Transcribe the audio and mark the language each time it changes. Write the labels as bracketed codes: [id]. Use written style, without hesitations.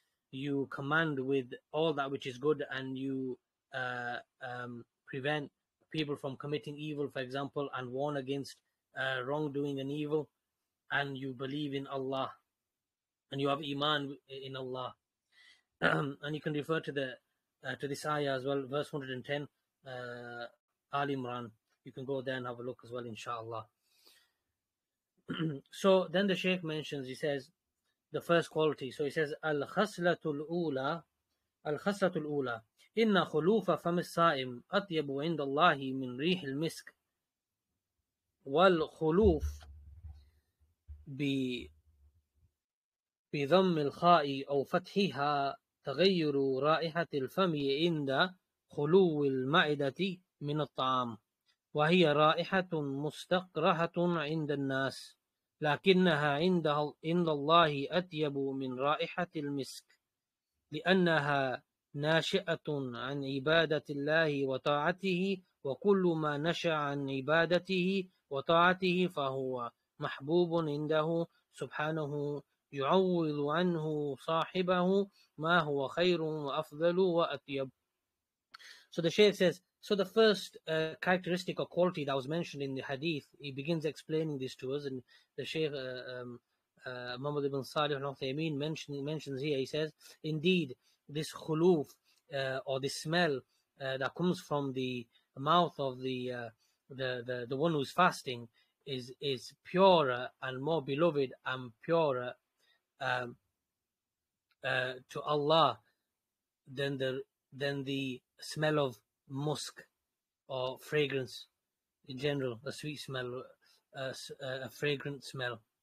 [en] You command with all that which is good, and you prevent people from committing evil, for example, and warn against wrongdoing and evil, and you believe in Allah, and you have iman in Allah. And you can refer to the to this ayah as well, verse 110, Ali Imran. You can go there and have a look as well, inshallah. So then the Shaykh mentions, he says, the first quality. So he says, [ar] Al-khaslatul-ula, inna khulufa famis-sa'im atyabu indallahi min rihil misk wal-khuluf bi-dhammil-kha'i aw fathiha تغير رائحة الفم عند خلو المعدة من الطعام وهي رائحة مستقرهة عند الناس لكنها عند الله أطيب من رائحة المسك لأنها ناشئة عن عبادة الله وطاعته وكل ما نشأ عن عبادته وطاعته فهو محبوب عنده سبحانه يعوض عنه صاحبه ما هو خير وأفضل وأطيب." [en] So the Shaykh says, so the first characteristic or quality that was mentioned in the hadith, he begins explaining this to us, and the Shaykh Muhammad ibn Saleh Al-Uthaymeen mentions here, he says, indeed, this khuluf or this smell that comes from the mouth of the one who's fasting is purer and more beloved and purer to Allah than the smell of musk or fragrance in general, a sweet smell, a fragrant smell.